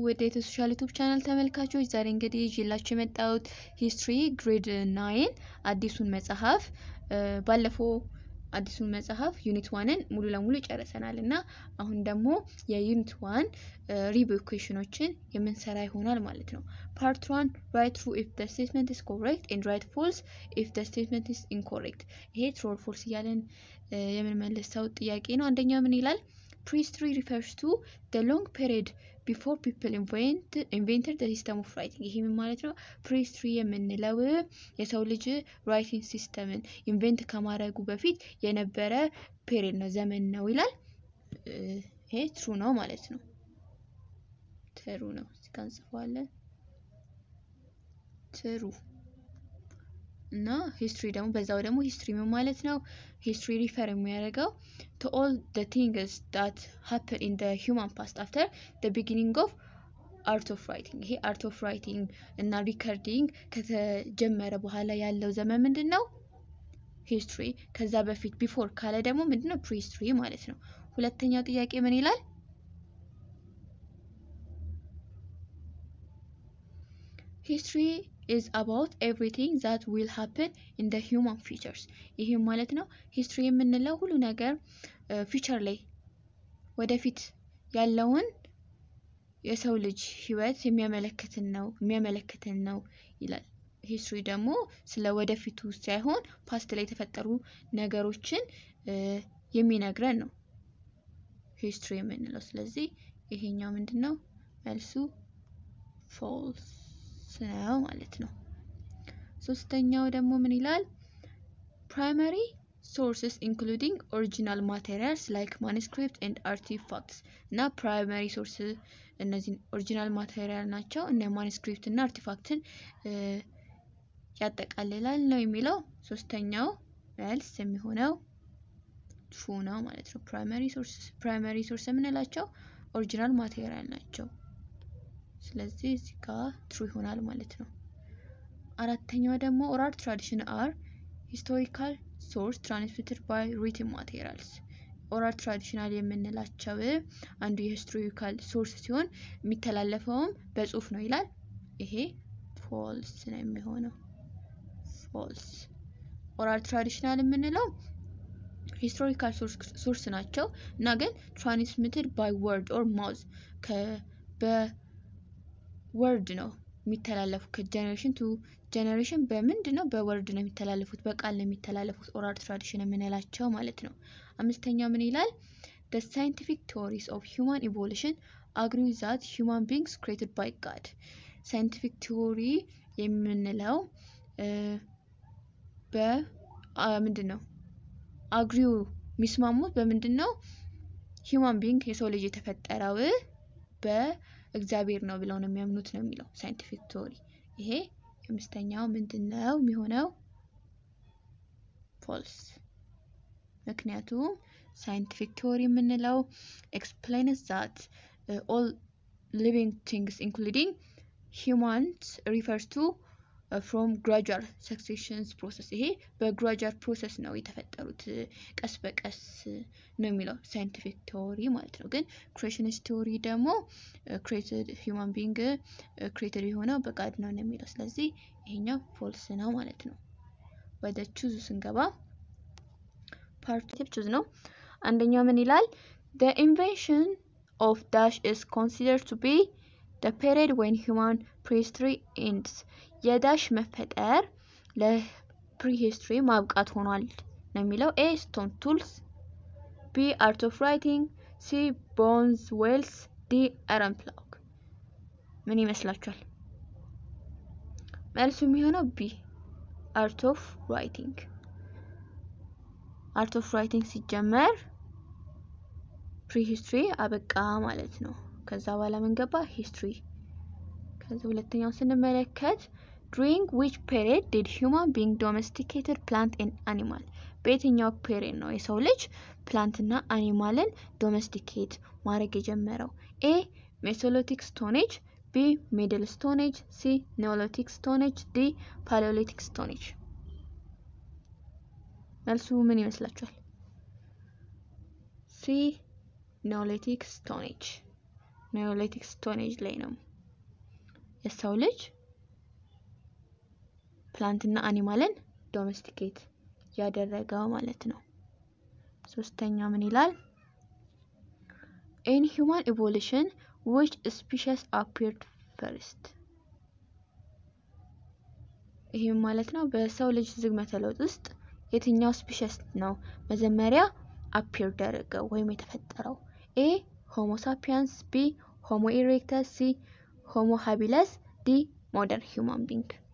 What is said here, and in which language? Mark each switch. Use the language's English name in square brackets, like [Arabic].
[Amharic] ወደ ኢትዮ ሶሻል ዩቲዩብ ቻናል ተመልካቾች ዛሬ እንግዲህ ይዤላችሁ የመጣሁት ሂስትሪ ግሬድ 9 አዲሱን መጽሐፍ ባለፈው አዲሱን መጽሐፍ ዩኒት 1ን ሙሉ ለሙሉ ጨርሰናልና አሁን ደግሞ የዩኒት 1 ሪቪው ኩዌሽኖችን የምንሰራ ይሆናል ማለት ነው። [English] Part 1 write true if the statement is correct and write false if the statement is incorrect. [Amharic] ይሄ true or false ያለን የምንመልሰው ጥያቄ ነው። አንደኛው ምን ይላል? [English] Prehistory refers to the long period before people invented the system of writing. [Amharic] ይሄ ምን ማለት ነው? Prehistory የምንለው የሰው ልጅ writing systemን invent ከማድረጉ በፊት የነበረ period ነው፣ ዘመን ነው ይላል። ይሄ true ነው ማለት ነው። True ነው ሲካንጽፋለን። True እና history ደግሞ በዛው ደግሞ history ምን ማለት ነው? [English] History refer [Amharic] የሚያደርገው [English] to all the things that happen in the human past after the beginning of art of writing. [Amharic] ይሄ art of writing እና recording ከተጀመረ በኋላ ያለው ዘመን ምንድን ነው? History. ከዛ በፊት before ካለ ደግሞ ምንድን ነው? Prehistory ማለት ነው። ሁለተኛው ጥያቄ ምን ይላል? [English] History is about everything that will happen in the human futures. [Amharic] ይሄ ማለት ነው history የምንለው ሁሉ ነገር future ላይ ወደፊት ያለውን የሰው ልጅ ህይወት የሚያመለክተን ነው ይላል። history ደግሞ ስለ ወደፊቱ ሳይሆን past ላይ ተፈጠሩ ነገሮችን የሚነግረን ነው history የምንለው። ስለዚህ ይሄኛው ምንድነው መልሱ? false ነው ማለት ነው። ሶስተኛው ደግሞ ምን ይላል? [English] primary sources including original materials like manuscript and artifacts. [Amharic] እና primary sources እነዚህ original material ናቸው እና manuscript እና artifacts ያጠቃልላል ነው የሚለው። ሶስተኛው መልስ የሚሆነው true ነው ማለት ነው። primary sources የምንላቸው original material ናቸው። ስለዚህ እዚህ ጋር ትሩ ይሆናል ማለት ነው። አራተኛው ደግሞ [English] ኦራል ትራዲሽን አር ሂስቶሪካል ሶርስ ትራንስሚትድ ባይ ሪትን ማቴሪያልስ። [Amharic] ኦራል ትራዲሽናል የምንላቸው አንዱ የሂስቶሪካል ሶርስ ሲሆን የሚተላለፈውም በጽሁፍ ነው ይላል። ይሄ ፎልስ ነው የሚሆነው። ፎልስ ኦራል ትራዲሽናል የምንለው ሂስቶሪካል ሶርስ ናቸው እና ግን [English] ትራንስሚትድ ባይ ወርድ ኦር ማውዝ [Amharic] ወርድ ነው የሚተላለፉት ከጀነሬሽን ቱ ጀነሬሽን በምንድነው በወርድ ነው የሚተላለፉት በቃል ነው የሚተላለፉት ኦራል ትራዲሽን የምንላቸው ማለት ነው። አምስተኛው ምን ይላል? [English] the scientific theories of human evolution agree that human beings created by god. [Amharic] scientific theory የምንለው በምንድነው agree የሚስማሙት በምንድነው human being የሰው ልጅ የተፈጠረው በ እግዚአብሔር ነው ብለው ነው የሚያምኑት ነው የሚለው ሳይንቲፊክ ቲዮሪ። ይሄ አምስተኛው ምንድነው የሚሆነው? ፎልስ። ምክንያቱም ሳይንቲፊክ ቲዮሪ የምንለው [English] explains that all living things including humans refers to from gradual succession process. [Amharic] ይሄ በgradual process ነው የተፈጠሩት ቀስ በቀስ ነው የሚለው ሳይንቲፊክ ቲዮሪ ማለት ነው። ግን creationist ቲዮሪ ደግሞ created human being created የሆነው በቃድ ነው የሚለው። ስለዚህ ይሄኛው false ነው ማለት ነው። ወደ choose ስንገባ part 2 choose ነው። አንደኛው ምን ይላል? [English] the invention of dash is considered to be the period when human prehistory ends. [Amharic] የዳሽ መፈጠር ለፕሪሂስትሪ ማብቃት ሆኗል ነው የሚለው። [English] ኤ ስቶን ቱልስ፣ ቢ አርት ኦፍ ራይቲንግ፣ ሲ ቦንዝ ዌልስ፣ ዲ አረን ፕላክ። [Amharic] ምን ይመስላችኋል? መልሱ የሚሆነው ቢ አርት ኦፍ ራይቲንግ። አርት ኦፍ ራይቲንግ ሲጀመር ፕሪሂስትሪ አበቃ ማለት ነው። ከዛ በኋላ ምን ገባ? ሂስትሪ። ከዚህ ሁለተኛው ስንመለከት [English] during which period did human being domesticated plant and animal? [Amharic] በየትኛው period ነው የሰው ልጅ plant እና animalን domesticate ማድረግ የጀመረው? [English] A. Mesolithic Stone Age, B. B. Middle Stone Age. C. Neolithic Stone Age. D. Paleolithic Stone Age. [Amharic] መልሱ ምን ይመስላችኋል? [English] C. Neolithic Stone Age. [Amharic] Neolithic Stone Age ላይ ነው የሰው ልጅ ፕላንትና አኒማልን ዶሜስቲኬት ያደረገው ማለት ነው። ሶስተኛ ምን ይላል? [English] In human evolution, which species appeared first? [Amharic] ይሄ ማለት ነው በሰው ልጅ ዝግመተ ለውጥ ውስጥ የትኛው species ነው መጀመሪያ appeared ያደረገው ወይም የተፈጠረው? [English] A. Homo sapiens. B. Homo erectus. C. Homo habilis. D. Modern human being.